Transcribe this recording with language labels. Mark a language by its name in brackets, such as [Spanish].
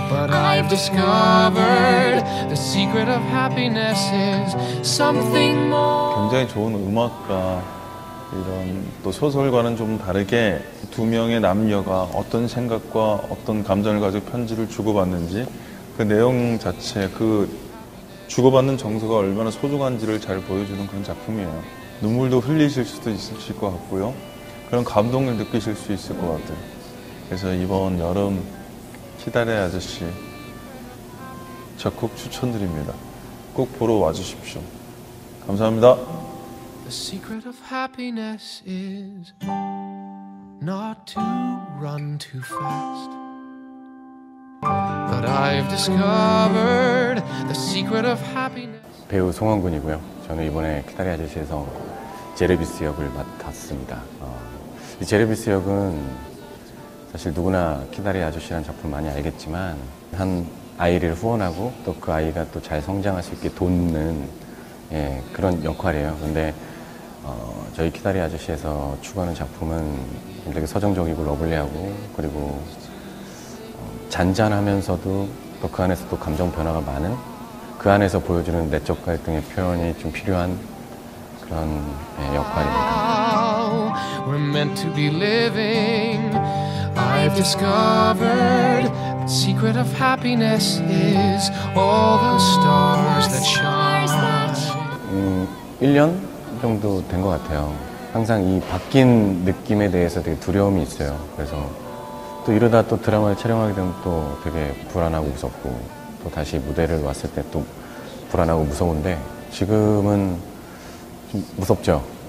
[English] I've discovered the secret of happiness is something more. [Korean] 굉장히 좋은 음악과 이런 또 소설과는 좀 다르게 두 명의 남녀가 어떤 생각과 어떤 감정을 가지고 편지를 주고받는지 그 내용 자체 그 주고받는 정서가 얼마나 소중한지를 잘 보여주는 그런 작품이에요. 눈물도 흘리실 수도 있으실 것 같고요. 그런 감동을 느끼실 수 있을 것 같아요. 그래서 이번 여름 기다리 아저씨 적극 추천드립니다. 꼭 보러 와주십시오. 감사합니다. [English] The secret of happiness is not to run too fast. But I've discovered the secret of happiness. [Korean] 배우 송원근이고요. 저는 이번에 기다리 아저씨에서 제르비스 역을 맡았습니다. 이 제르비스 역은 사실 누구나 기다리 아저씨라는 작품 많이 알겠지만 한 아이를 후원하고 또 그 아이가 또 잘 성장할 수 있게 돕는 예, 그런 역할이에요. 근데 저희 기다리 아저씨에서 추구하는 작품은 되게 서정적이고 러블리하고 그리고 잔잔하면서도 또 그 안에서 또 감정 변화가 많은 그 안에서 보여주는 내적 갈등의 표현이 좀 필요한 그런 예, 역할입니다. [English] We're meant to be living. I've discovered the secret of happiness is all the stars that shine. [Korean] 1년 정도 된 것 같아요. 항상 이 바뀐 느낌에 대해서 되게 두려움이 있어요. 그래서 또 이러다 또 드라마를 촬영하게 되면 또 되게 불안하고 무섭고 또 다시 무대를 왔을 때 또 불안하고 무서운데 지금은 좀 무섭죠.